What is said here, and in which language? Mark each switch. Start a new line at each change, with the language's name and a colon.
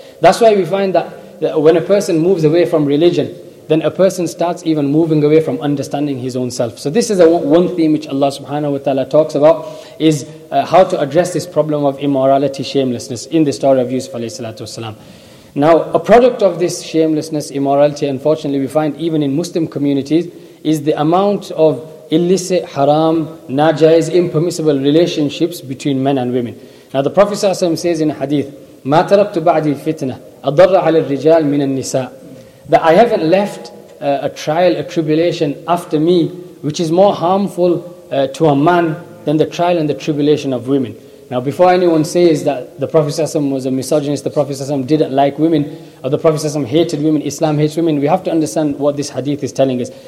English: That's why we find that when a person moves away from religion, then a person starts even moving away from understanding his own self. So this is one theme which Allah subhanahu wa ta'ala talks about, is how to address this problem of immorality, shamelessness in the story of Yusuf alayhi salatu wasalam. Now, a product of this shamelessness, immorality, unfortunately, we find even in Muslim communities, is the amount of illicit, haram, najais, impermissible relationships between men and women. Now, the Prophet ﷺ says in a hadith,
Arabic: مَا تَرَبْتُ بَعْدِي الْفِتْنَةِ أَضَرَّ عَلَى الرِّجَالِ مِنَ النِّسَاءِ.
English: That I haven't left a trial, a tribulation after me, which is more harmful to a man than the trial and the tribulation of women. Now, before anyone says that the Prophet ﷺ was a misogynist, the Prophet ﷺ didn't like women, or the Prophet ﷺ hated women, Islam hates women, we have to understand what this hadith is telling us.